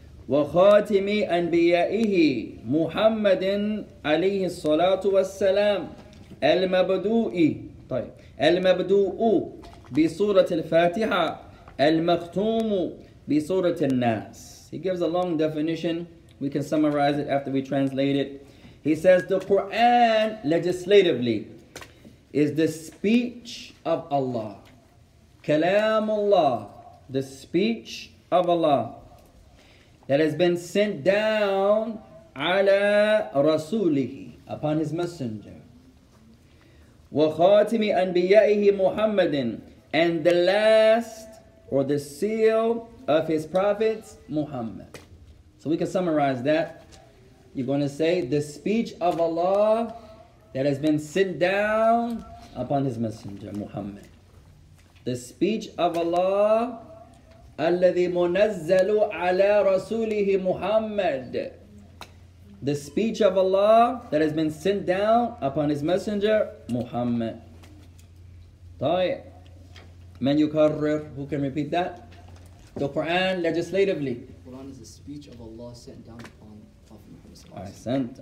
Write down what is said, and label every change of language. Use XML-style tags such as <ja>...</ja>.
<ar>وخاتم أنبيائه محمد عليه الصلاة والسلام المبدوء طيب المبدوء بصورة الفاتحة المختوم بصورة الناس.</ar> <en>He gives a long definition. We can summarize it after we translate it. He says the Quran legislatively is the speech of Allah.</en> <ar>كلام الله,</ar> <en>the speech of Allah. That has been sent down</en> <ar>ala rasulihi,</ar> <en>upon his messenger.</en> <ar>Wa khatimi anbiya'ihi Muhammadin,</ar> <en>and the last or the seal of his prophets, Muhammad. So we can summarize that. You're going to say the speech of Allah that has been sent down upon his messenger, Muhammad. The speech of Allah.</en> <ar>الذي منزل على رسوله محمد.</ar> <en>The speech of Allah that has been sent down upon his messenger Muhammad.</en> <ar>طيب من يكرر,</ar> <en>who can repeat that? The Quran legislatively. The Quran is the speech of Allah sent down upon Prophet Muhammad.</en>